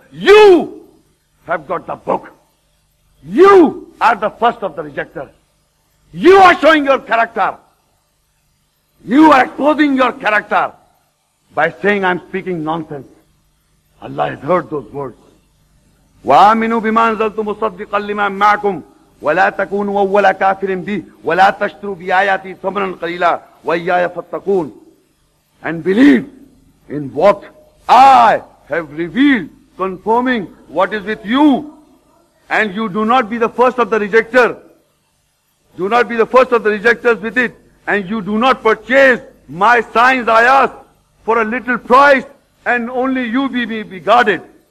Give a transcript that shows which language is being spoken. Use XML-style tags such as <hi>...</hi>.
<en>You have got the book. You are the first of the rejecters. You are showing your character. You are exposing your character by saying, I'm speaking nonsense. Allah has heard those words.</en> <ar>وآمنوا بما أنزلت مصدقا لما معكم ولا تكونوا أول كافر به ولا تشتروا بآياتي ثمنا قليلا وإياي فاتقون.</ar> <en>And believe in what I have revealed, confirming what is with you. And you do not be the first of the rejector. Do not be the first of the rejectors with it. And you do not purchase my signs, I ask, for a little price, and only you be guarded.</en>